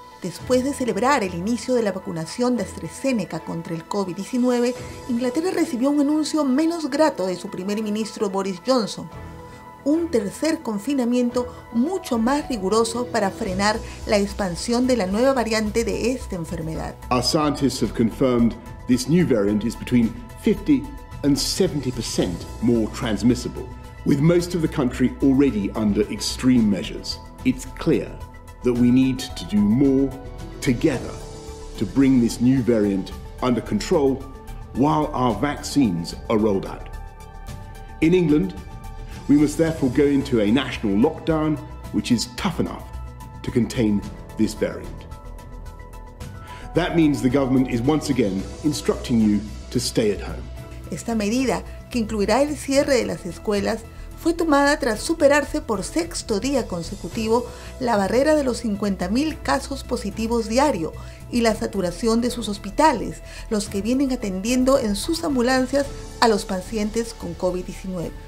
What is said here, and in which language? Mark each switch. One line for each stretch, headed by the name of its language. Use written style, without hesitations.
Spanish: Después de celebrar el inicio de la vacunación de AstraZeneca contra el COVID-19, Inglaterra recibió un anuncio menos grato de su primer ministro Boris Johnson. Un tercer confinamiento mucho más riguroso para frenar la expansión de la nueva variante de esta enfermedad.
English: Our scientists have confirmed this new variant is between 50 and 70% more transmissible, with most of the country already under extreme measures. It's clear that we need to do more together to bring this new variant under control while our vaccines are rolled out. In England, we must therefore go into a national lockdown, which is tough enough to contain this variant. That means the government is once again instructing you to stay at home.
Spanish: Esta medida, que incluirá el cierre de las escuelas, fue tomada tras superarse por sexto día consecutivo la barrera de los 50.000 casos positivos diario y la saturación de sus hospitales, los que vienen atendiendo en sus ambulancias a los pacientes con COVID-19.